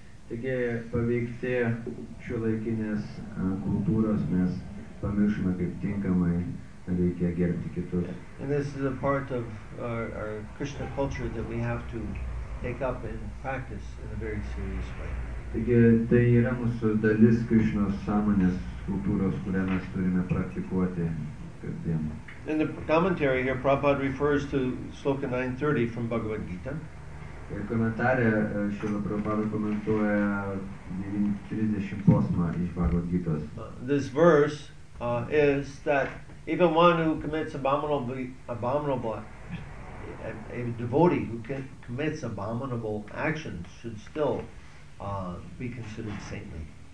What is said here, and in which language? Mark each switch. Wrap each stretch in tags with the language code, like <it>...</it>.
<lt>Taigi, paveikti šiuolaikinės kultūros, mes pamiršome, kaip tinkamai reikia gerbti kitus.</lt> <en>And this is a part of our Krishna culture that we have to take up and practice in a very serious way.</en> <lt>Taigi, tai yra mūsų dalis Krišnos sąmonės kultūros, kurią mes turime praktikuoti kasdien.</lt> <en>In the commentary here, Prabhupada refers to Sloka 930 from Bhagavad Gita.</en> <lt>Ir komentarė, šiandien Prabhupada komentuoja 930 posmą iš Bhagavad Gitos.</lt> <en>This verse is that even one who commits abominable actions should still be considered saintly.</en>